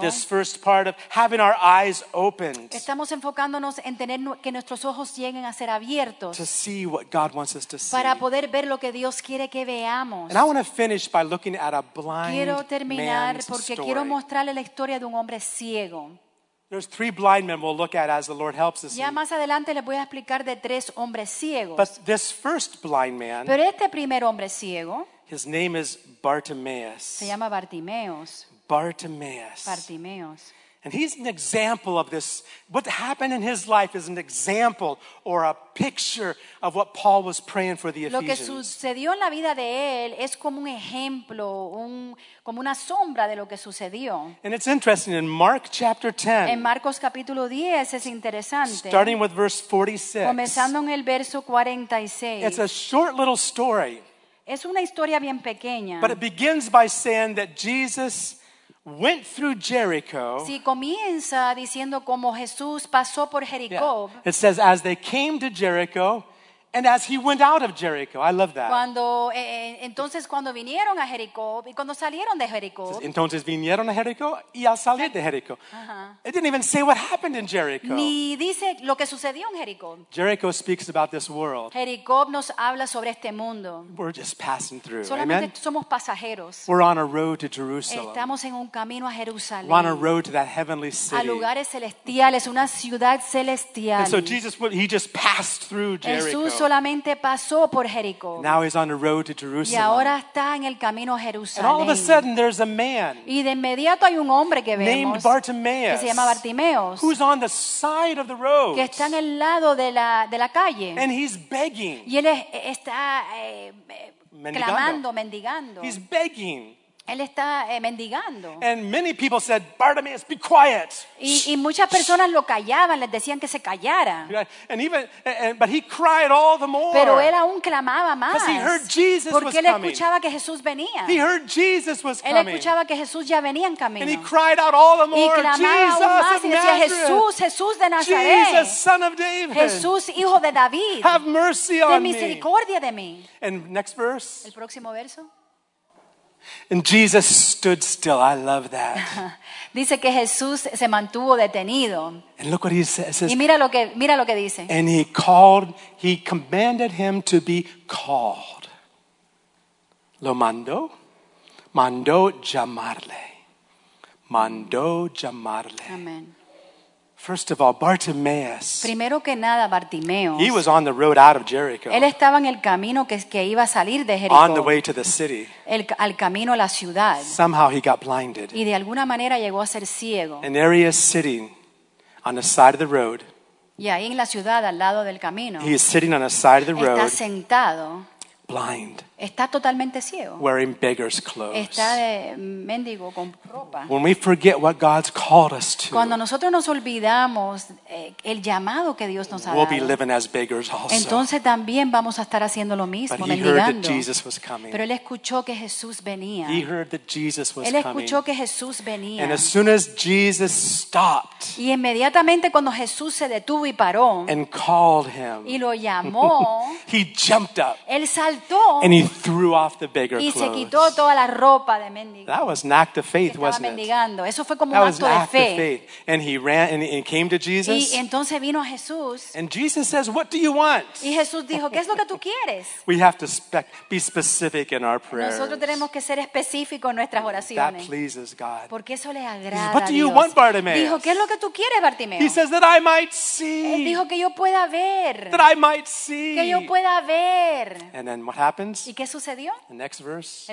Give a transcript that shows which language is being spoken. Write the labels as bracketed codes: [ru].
[en] this first part of having our eyes opened. [es] Estamos enfocándonos en tener que nuestros ojos lleguen a ser abiertos. [en] To see what God wants us to see. [es] Para poder ver lo que Dios quiere que veamos. [en] And I want to finish by looking at a blind [es] quiero terminar [en] man's [es] porque [en] story. [es] Quiero mostrarle la historia de un hombre ciego. [en] There's three blind men we'll look at as the Lord helps us. [es] Ya más adelante les voy a explicar de tres hombres ciegos. [en] But this first blind man, [es] pero este primer hombre ciego, [en] his name is Bartimaeus. [es] Se llama Bartimaeus. [en] Bartimaeus. [es] Bartimaeus. [en] And he's an example of this. What happened in his life is an example or a picture of what Paul was praying for the Ephesians. [es] Lo que sucedió en la vida de él es como un ejemplo, como una sombra de lo que sucedió. [en] And it's interesting in Mark chapter 10. [es] En Marcos capítulo 10 es interesante. [en] Starting with verse 46. [es] Comenzando en el verso 46. [en] It's a short little story. [es] Es una historia bien pequeña. [en] But it begins by saying that Jesus went through Jericho. [es] Si comienza diciendo como Jesús pasó por Jericó. [en] Yeah. It says as they came to Jericho and as he went out of Jericho. I love that. [es] Cuando vinieron a Jericó y cuando salieron de Jericó. Entonces vinieron a Jericó y al salir de Jericó. Uh-huh. [en] It didn't even say what happened in Jericho. [es] Ni dice lo que sucedió en Jericó. [en] Jericho speaks about this world. [es] Jericó nos habla sobre este mundo. [en] We're just passing through. [es] Solamente amen? Somos pasajeros. [en] We're on a road to Jerusalem. [es] Estamos en un camino a Jerusalén. [en] We're on a road to that heavenly city. [es] A lugares celestiales, una ciudad celestial. [en] And so Jesus, he just passed through Jericho. [es] Solamente pasó por Jericó. [en] Now he's on the road to Jerusalem. [es] Y ahora está en el camino a Jerusalén. [en] And all of a sudden there's a man. [es] Y de inmediato hay un hombre que vemos. [en] Named Bartimaeus. [es] Que se llama Bartimaeus. [en] Who's on the side of the road. [es] Que está en el lado de la calle. [en] And he's begging. [es] Y él está clamando, mendigando. [en] He's begging. [es] Él está mendigando. [en] And many people said, Bartimaeus, be quiet. [es] Y muchas personas lo callaban, les decían que se callara. [en] And even, but he cried all the more. [es] Pero él aún clamaba más. [en] Because he heard Jesus was [es] porque él escuchaba [en] coming. [es] Que Jesús venía. [en] He heard Jesus was coming. [es] Él escuchaba que Jesús ya venía en camino. [en] And he cried out all the more, [es] y clamaba [en] Jesus [es] aún más [en] of [es] y decía, Jesús, Jesús de Nazaret. [en] Jesus, son of David. [es] Jesús, hijo de David. [en] Have mercy on me. [es] Ten misericordia de mí. [en] And next verse. [es] El próximo verso. [en] And Jesus stood still. I love that. [es] Dice que Jesús se mantuvo detenido. [en] And look what he says. [es] Y mira lo que dice. [en] And he commanded him to be called. [es] Lo mandó. Mandó llamarle. Mandó llamarle. [en] Amen. First of all, Bartimaeus. [es] Primero que nada, Bartimeo. [en] He was on the road out of Jericho. [es] Él estaba en el camino que iba a salir de Jericó. [en] On the way to the city. [es] Al camino a la ciudad. [en] Somehow he got blinded. [es] Y de alguna manera llegó a ser ciego. [en] And there he is sitting on the side of the road. [es] Y ahí en la ciudad al lado del camino. [en] He is sitting on the side of the road. [es] Está sentado. [en] Blind. [es] Está totalmente ciego. [en] Wearing beggar's clothes. [es] Está de mendigo con ropa. [en] When we forget what God's called us to. [es] Cuando nosotros nos olvidamos el llamado que Dios nos ha dado. [en] We'll be living as beggars also. [es] Entonces también vamos a estar haciendo lo mismo, [en] but [es] mendigando. [en] He heard that Jesus was coming. [es] Pero él escuchó que Jesús venía. [en] He heard that Jesus was [es] él escuchó [en] coming. [es] Que Jesús venía. [en] And as soon as Jesus stopped. [es] Y inmediatamente cuando Jesús se detuvo y paró. [en] And called him. [es] Y lo llamó. [en] He jumped up. [es] Él saltó. [en] And he threw off the beggar clothes. [es] Y se quitó toda la ropa de mendigo. [en] That was an act of faith, wasn't [es] mendigando. [en] It? [es] Eso fue como [en] that [es] un [en] was [es] acto [en] an act [es] fe. [en] Of faith. And he ran and he came to Jesus. [es] Y entonces vino a Jesús. [en] And Jesus says, what do you want? [es] Y Jesús dijo, ¿qué es lo que tú quieres? [en] We have to be specific in our prayers. [es] Nosotros tenemos que ser específicos en nuestras oraciones. [en] That pleases God. [es] Porque eso le agrada a Dios. [en] What do you [es] Dios? [en] Want, Bartimaeus? [es] Dijo, ¿qué es lo que tú quieres, Bartimeo? [en] He says that I might see. [es] Él dijo que yo pueda ver. [en] That I might see. [es] Que yo pueda ver. [en] And then what happens? [es] ¿Y qué sucedió? [en] The next verse,